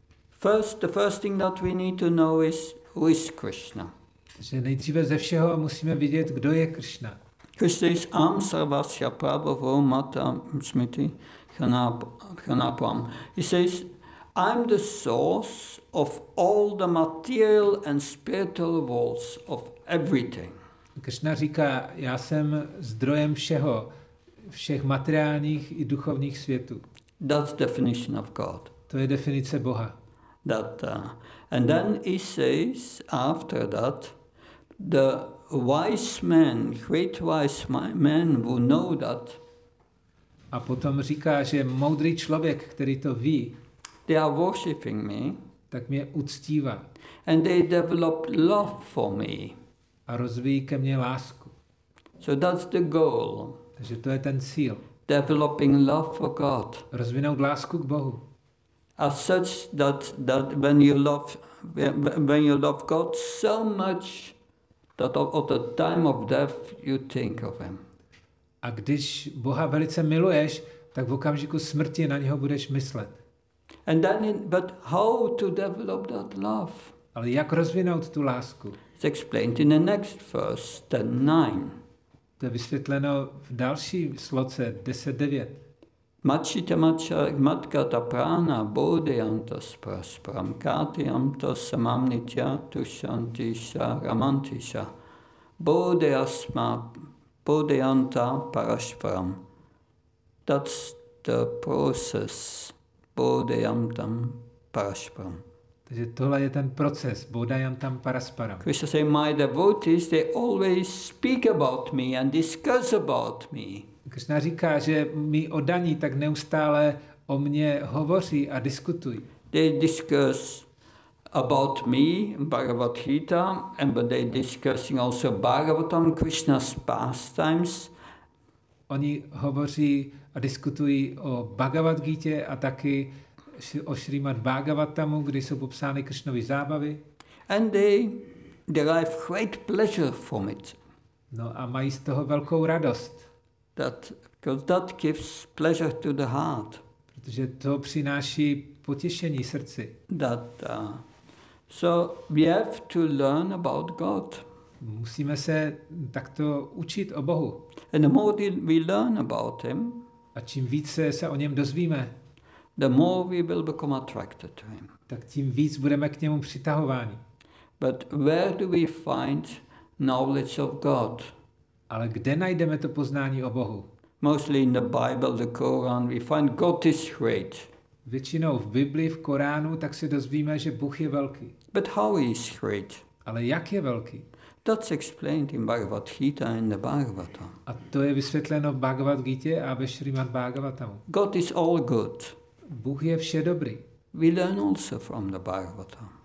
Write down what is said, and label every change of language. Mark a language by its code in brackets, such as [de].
[en] First, the first thing that we need to know is who is Krishna. [cs] Že nejdříve ze všeho musíme vidět, kdo je Krishna. [en] Krishna is [sa] am sarvasya prabhavam matam smiti khanapam. [en] He says, I'm the source of all the material and spiritual worlds of everything. [cs] Krishna říká, já jsem zdrojem všeho, všech materiálních i duchovních světů. [en] That's definition of God. [cs] To je definice Boha. [en] That, and then he says after that, the wise man, great wise man who know that. [cs] A potom říká, že moudrý člověk, který to ví, [en] they are worshipping me, [cs] tak mě uctívá. [en] And they develop love for me. [cs] A rozvíjí ke mně lásku. [en] So that's the goal. [cs] Takže to je ten cíl. [en] Developing love for God. [cs] Rozvinout lásku k Bohu. [en] As such that when you love God so much that at the time of death you think of him. [cs] A když Boha velice miluješ, tak v okamžiku smrti na něho budeš myslet. [en] And then but how to develop that love? [cs] Ale jak rozvinout tu lásku? [en] It's explained in the next verse, 10:9. [cs] To je vysvětleno v další sloce 10:9. [sa] Machita macha matka ta prana bodhyantas prasparam katyam tasamam nitya tushantisha ramantisha bodhyasma bodhyanta parasparam. [en] That's the process bodhyantam parasparam. [cs] Takže tohle je ten proces bodhyantam parasparam. [en] Krishna say my devotees they always speak about me and discuss about me. [cs] Krishna říká, že mi oddaní tak neustále o mě hovoří a diskutují. [en] They discuss about me, Bhagavad Gita, and but they discussing also Bhagavatam, Krishna's pastimes. [cs] Oni hovoří a diskutují o Bhagavad Gita a taky o Srimad Bhagavatamu, kde jsou popsány Krishnovy zábavy. [en] And they derive great pleasure from it. [cs] No a mají z toho velkou radost. [en] That, because that gives pleasure to the heart. [cs] Protože to přináší potěšení srdci. [en] That So we have to learn about God. [cs] Musíme se takto učit o Bohu. [en] And the more we learn about him, [cs] a čím více se o něm dozvíme, [en] the more we will become attracted to him. [cs] Tak tím víc budeme k němu přitahováni. [en] But where do we find knowledge of God? [cs] Ale kde najdeme to poznání o Bohu? [en] Mostly in the Bible, the Quran, we find God is great. [cs] Většinou v Biblii, v Koránu, tak se dozvíme, že Bůh je velký. [en] But how is great? [cs] Ale jak je velký? [en] That's explained in Bhagavad Gita and the Bhagavatam. [cs] A to je vysvětleno v Bhagavad Gita a ve Srimad Bhagavatam. [en] God is all good. [cs] Bůh je vše dobrý. [en] We learn also from the Bhagavatam.